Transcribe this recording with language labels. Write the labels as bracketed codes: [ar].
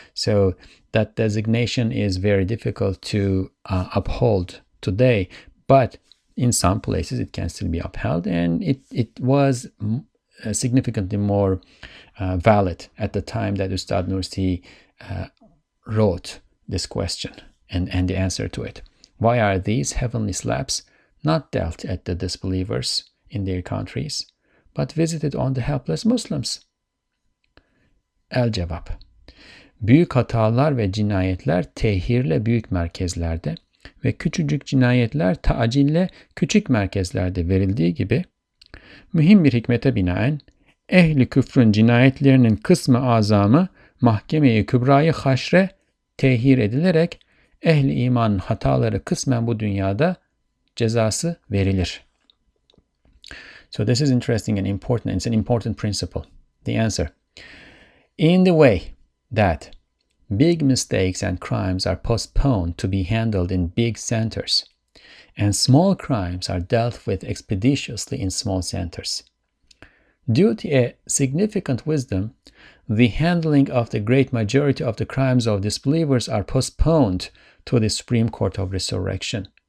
[en] So that designation is very difficult to uphold today, but in some places it can still be upheld, and it was significantly more valid at the time that Ustad Nursi wrote this question and the answer to it. Why are these heavenly slaps not dealt at the disbelievers in their countries, but visited on the helpless Muslims? [tr] El-Cevap. Büyük hatalar ve cinayetler tehirle büyük merkezlerde ve küçücük cinayetler tacille küçük merkezlerde verildiği gibi, mühim bir hikmete binaen, ehli küfrün cinayetlerinin kısmı azamı mahkeme-i kübrayı haşre tehir edilerek ehli imanın hataları kısmen bu dünyada cezası verilir. [en] So this is interesting and important. It's an important principle. The answer. In the way that big mistakes and crimes are postponed to be handled in big centers, and small crimes are dealt with expeditiously in small centers, due to a significant wisdom, the handling of the great majority of the crimes of disbelievers are postponed to the Supreme Court of Resurrection.